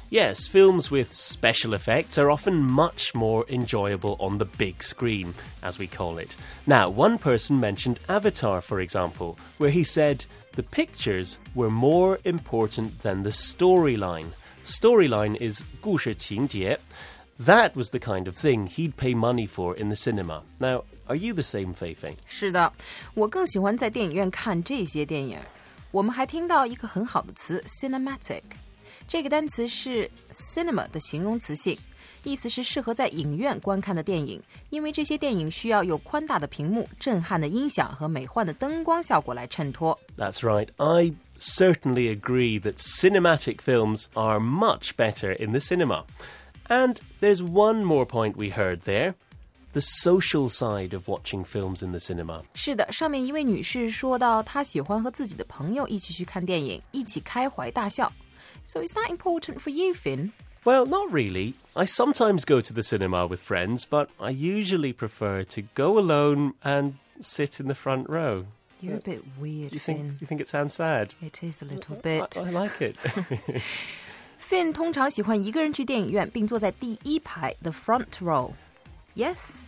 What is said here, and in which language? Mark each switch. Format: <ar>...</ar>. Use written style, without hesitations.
<en>Yes, films with special effects are often much more enjoyable on the big screen, as we call it. Now, one person mentioned Avatar, for example, where he said the pictures were more important than the storyline. Storyline is 故事情节.That was the kind of thing he'd pay money for in the cinema. Now,Are you the same, Feifei?</en> <zh>是的，我更喜欢在电影院看这些电影。我们还听到一个很好的词 cinematic. 这个单词是 cinema 的形容词性，意思是适合在影院观看的电影，因为这些电影需要有宽大的屏幕、震撼的音响和美幻的灯光效果来衬托。</zh> <en>That's right. I certainly agree that cinematic films are much better in the cinema. And there's one more point we heard there. The social side of watching films in the cinema.</en> <zh>是的，上面一位女士说到她喜欢和自己的朋友一起去看电影，一起开怀大笑。</zh> <en>So is that important for you, Finn? Well, not really. I sometimes go to the cinema with friends, but I usually prefer to go alone and sit in the front row. You're a bit weird, Finn. You think it sounds sad? It is a little bit. I like it.</en> <zh>Finn 通常喜欢一个人去电影院，并坐在第一排 ,</zh> <en>the front row. Yes.</en>